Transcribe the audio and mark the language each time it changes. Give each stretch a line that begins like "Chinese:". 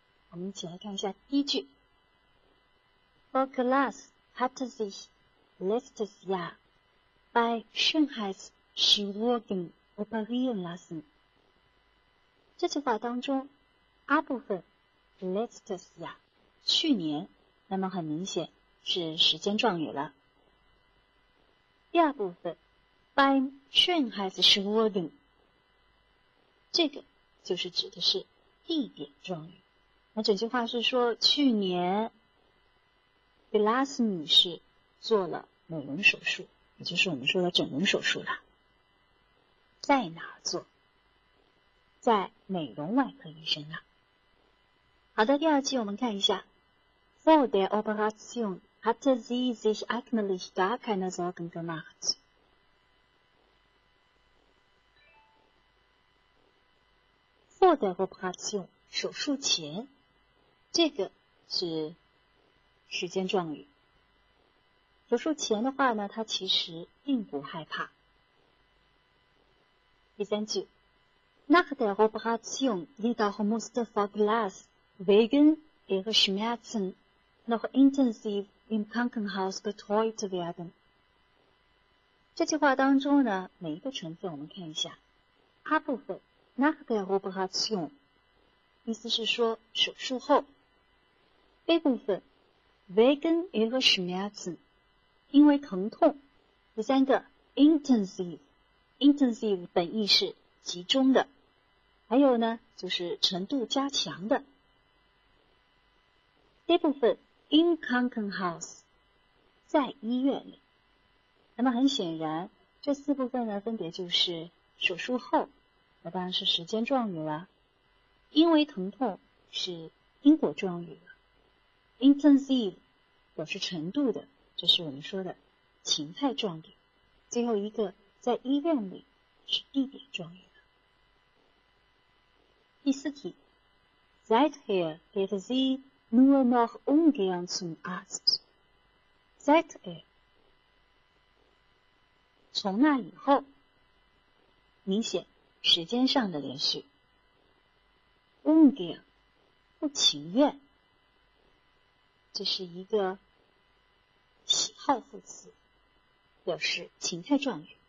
Chinese: 我们一起来看一下第一句
German: Vor Glas hat sich letztes Jahr bei Schönheitschirurgen operieren lassen。
Chinese: 这句话当中 A 部分
German: letztes Jahr
Chinese: 去年，那么很明显是时间状语了。第二部分
German: bei Schönheitschirurgen
Chinese: 这个就是指的是地点状语，那整句话是说去年 Glass 女士做了美容手术，也就是我们说的整容手术了。在哪儿做？在美容外科医生啊。好的，第二句我们看一下
German: For der Operation hat sie sich eigentlich gar keine Sorgen gemacht。 For der Operation
Chinese: 手术前，这个是时间状语。手术前的话呢，他其实并不害怕。第三句
German: ，Nach der Operation jedoch musste Frau Glas wegen ihrer Schmerzen noch intensiv im Krankenhaus betreut werden。
Chinese: 这句话当中呢，每一个成分我们看一下 ，A 部分
German: Nach der Operation，
Chinese: 意思是说手术后。 B 部分
German: wegen ihrer Schmerzen
Chinese: 因为疼痛。第三个 intensive 本意是集中的，还有呢就是程度加强的。 D 部分
German: in Krankenhaus
Chinese: 在医院里，那么很显然这四部分呢分别就是手术后，那当然是时间状语了，因为疼痛是因果状语了，intensive 表示程度的，这是我们说的情态状语，最后一个在医院里是地点状语。第四题
German: Seither geht sie nur noch ungern zum Arzt。
Chinese: Seither 从那以后，明显时间上的连续， ungern 不情愿，这是一个喜好副词，表示情态状语。